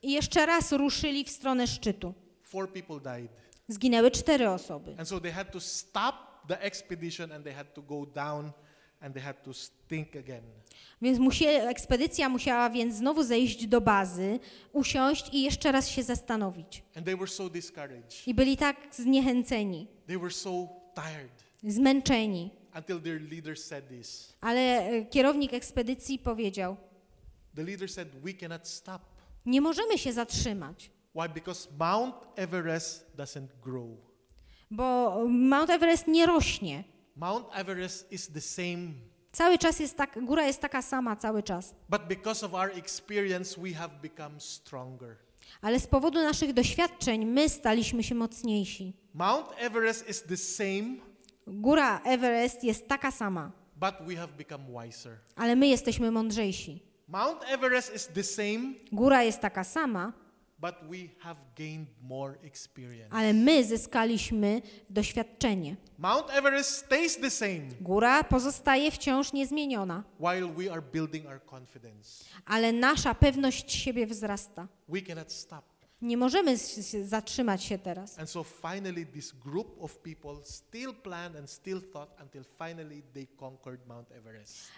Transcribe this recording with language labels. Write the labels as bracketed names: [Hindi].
[Polish] I jeszcze raz ruszyli w stronę szczytu. [English] Four people died. [Polish] Zginęły cztery osoby. [English] And so they had to stop the expedition and they had to go down and they had to think again. [Polish] Więc ekspedycja musiała więc znowu zejść do bazy, usiąść i jeszcze raz się zastanowić. [English] And they were so discouraged. [Polish] I byli tak zniechęceni. [English] They were so tired. [Polish] Zmęczeni. [English] Until their leader said this. [Polish] Ale kierownik ekspedycji powiedział. [English] The leader said, "We cannot stop." [Polish] Nie możemy się zatrzymać. [English] Why? Because Mount Everest doesn't grow. [Polish] Bo Mount Everest nie rośnie. [English] Mount Everest is the same. [Polish] Cały czas jest tak, góra jest taka sama cały czas. [English] But because of our experience, we have become stronger. [Polish] Ale z powodu naszych doświadczeń my staliśmy się mocniejsi. [English] Mount Everest is the same. [Polish] Góra Everest jest taka sama. [English] But we have become wiser. [Polish] Ale my jesteśmy mądrzejsi. [English] Mount Everest is the same. [Polish] Góra jest taka sama. [English] But we have gained more experience. [Polish] Ale my zyskaliśmy doświadczenie. [English] Mount Everest stays the same. [Polish] Góra pozostaje wciąż niezmieniona. [English] While we are building our confidence. [Polish] Ale nasza pewność siebie wzrasta. [English] We cannot stop. [Polish] Nie możemy zatrzymać się teraz. [English] And so finally this group of people still planned and still thought until finally they conquered Mount Everest.